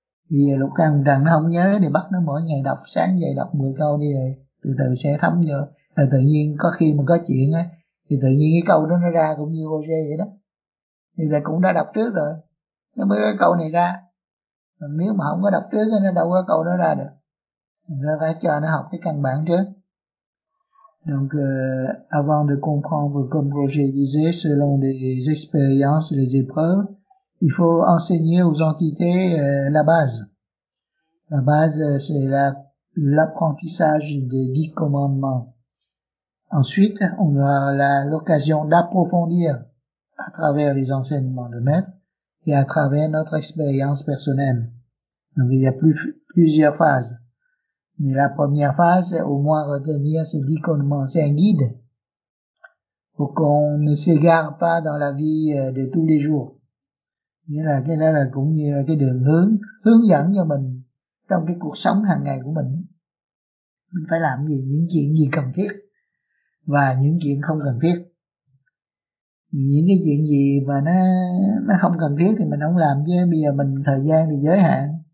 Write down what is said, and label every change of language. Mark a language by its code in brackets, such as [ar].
[vi] Vì Lục Căn rằng nó không nhớ thì bắt nó mỗi ngày đọc, sáng dậy đọc 10 câu đi, rồi từ từ sẽ thấm vô. Rồi tự nhiên có khi mà có chuyện á, thì tự nhiên cái câu đó nó ra cũng như OJ vậy đó. Thì ta cũng đã đọc trước rồi, nó mới có câu này ra. Còn nếu mà không có đọc trước thì nó đâu có câu đó ra được. Nó phải cho nó học cái căn bản trước. [fr] Donc, avant de comprendre comme Roger disait, selon les expériences, les épreuves, il faut enseigner aux entités la base. La base, c'est l'apprentissage des 10 commandements. Ensuite, on aura l'occasion d'approfondir à travers les enseignements de maître et à travers notre expérience personnelle. Donc, il y a plusieurs phases. Mais la première phase, c'est au moins retenir ces 10 commandements. C'est un guide pour qu'on ne s'égare pas dans la vie de tous les jours. [vi] Nghĩa là cái đó là cũng như là cái đường hướng dẫn cho mình trong cái cuộc sống hàng ngày của mình. Mình phải làm gì, những chuyện gì cần thiết và những chuyện không cần thiết. Những cái chuyện gì mà nó không cần thiết thì mình không làm, chứ bây giờ mình thời gian thì giới hạn.